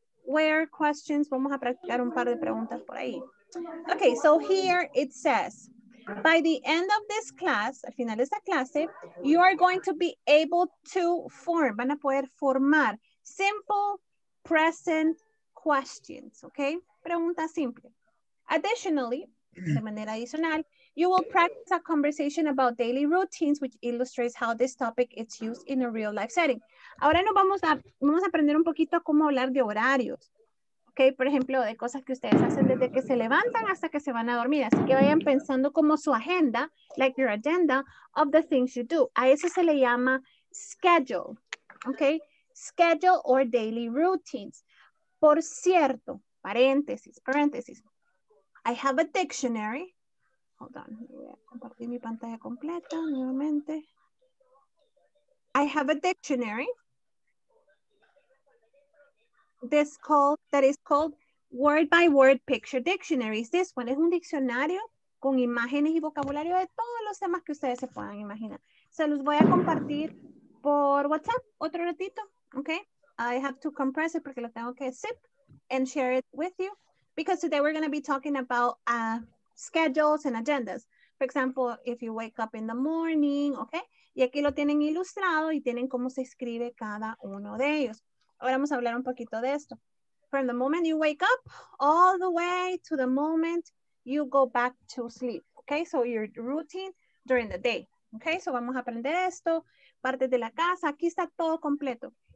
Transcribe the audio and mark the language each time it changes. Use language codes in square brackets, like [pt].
[en] Where questions, vamos a practicar un par de preguntas por ahí. Okay, so here it says, by the end of this class, al final de esta clase, you are going to be able to form, van a poder formar simple present questions, okay? Pregunta simple. Additionally, de manera adicional, you will practice a conversation about daily routines, which illustrates how this topic is used in a real life setting. [es] Ahora nos vamos a aprender un poquito cómo hablar de horarios. Ok, por ejemplo, de cosas que ustedes hacen desde que se levantan hasta que se van a dormir. Así que vayan pensando como su agenda, like your agenda, of the things you do. A eso se le llama schedule. Ok, schedule or daily routines. Por cierto, paréntesis, paréntesis. I have a dictionary. Hold on, voy a compartir mi pantalla completa nuevamente. [en] I have a dictionary. This called, that is called word by word picture dictionary. [es] This one es un diccionario con imágenes y vocabulario de todos los temas que ustedes se puedan imaginar. Se los voy a compartir por WhatsApp otro ratito, okay? I have to compress it porque lo tengo que zip and share it with you. [en] Because today we're going to be talking about schedules and agendas. For example, if you wake up in the morning, okay? [es] Y aquí lo tienen ilustrado y tienen cómo se escribe cada uno de ellos. Ahora vamos a hablar un poquito de esto. [en] From the moment you wake up, all the way to the moment you go back to sleep, okay? So your routine during the day, okay? So vamos a aprender esto. [es] Partes de la casa, aquí está todo completo.